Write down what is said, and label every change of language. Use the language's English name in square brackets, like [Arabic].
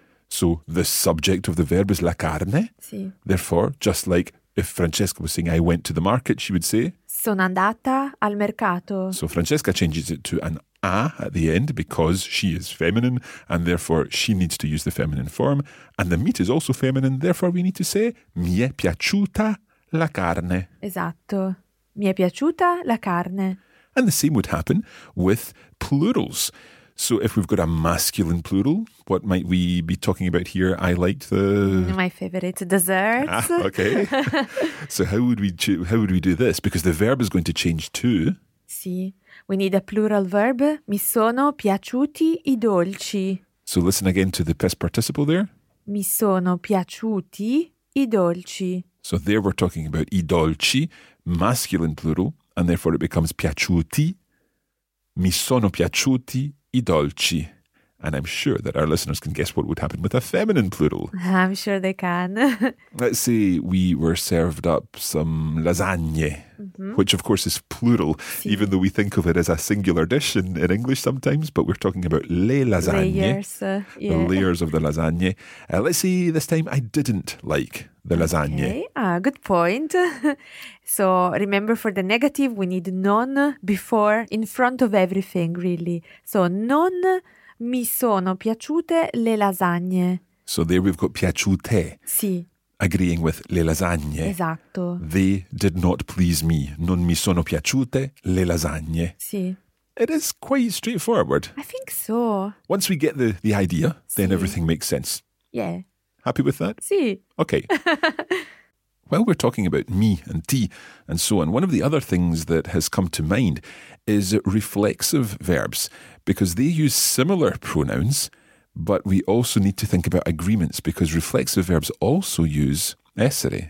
[English] So the subject of the verb is la carne. [Italian] Sì. [English] Therefore, just like if Francesca was saying I went to the market, she would say [Italian] sono andata al mercato. [English] So Francesca changes it to an a at the end because she is feminine and therefore she needs to use the feminine form. And the meat is also feminine. Therefore, we need to say [Italian] mi è piaciuta la carne. Esatto. Mi è piaciuta la carne. [English] And the same would happen with plurals. So if we've got a masculine plural, what might we be talking about here? I liked the... My favourite dessert. Ah, okay. So how would we do this? Because the verb is going to change too. Sì. We need a plural verb. [Italian] Mi sono piaciuti i dolci. [English] So listen again to the past participle there. [Italian] Mi sono piaciuti i dolci. [English] So there we're talking about i dolci, masculine plural, and therefore it becomes piaciuti. [Italian] Mi sono piaciuti i dolci. [English] And I'm sure that our listeners can guess what would happen with a feminine plural. I'm sure they can. Let's say we were served up some lasagne, which of course is plural, si. Even though we think of it as a singular dish in English sometimes, but we're talking about le lasagne, layers, the layers of the lasagne. Let's say this time I didn't like the lasagne. Okay. Good point. So remember for the negative, we need non before, in front of everything, really. [Italian] So non mi sono piaciute le lasagne. [English] So there we've got piaciute. [Italian] Sì. [English] Agreeing with le lasagne. [Italian] Esatto. [English] They did not please me. [Italian] Non mi sono piaciute le lasagne. Sì. [English] It is quite straightforward. I think so. Once we get the idea, then everything makes sense. Yeah. Happy with that? [Italian] Sì. [English] Okay. While we're talking about me and tea and so on, one of the other things that has come to mind is reflexive verbs, because they use similar pronouns, but we also need to think about agreements, because reflexive verbs also use essere.